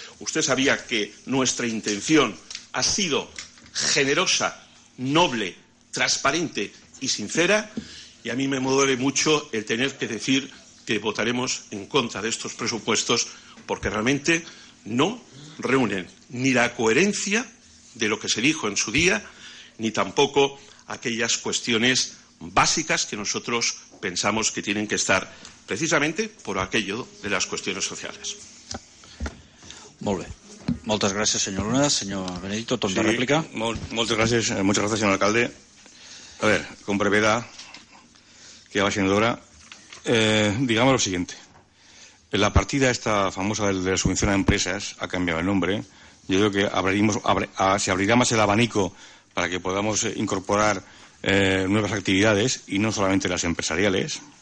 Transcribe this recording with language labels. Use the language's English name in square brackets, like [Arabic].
[Spanish] Usted sabía que nuestra intención ha sido generosa, noble, transparente y sincera, y a mí me duele mucho el tener que decir que votaremos en contra de estos presupuestos, porque realmente no reúnen ni la coherencia de lo que se dijo en su día, ni tampoco aquellas cuestiones básicas que nosotros pensamos que tienen que estar, precisamente por aquello de las cuestiones sociales. [Catalan] Molt bé. Moltes gràcies, senyor Luna. Senyor Benedicto, torn de rèplica. Moltes gràcies, senyor alcalde. [Spanish] A ver, con brevedad, que ya va siendo hora. Digamos lo siguiente. La partida esta famosa de la subvención a empresas ha cambiado el nombre. Yo creo que se abrirá más el abanico para que podamos incorporar nuevas actividades y no solamente las empresariales.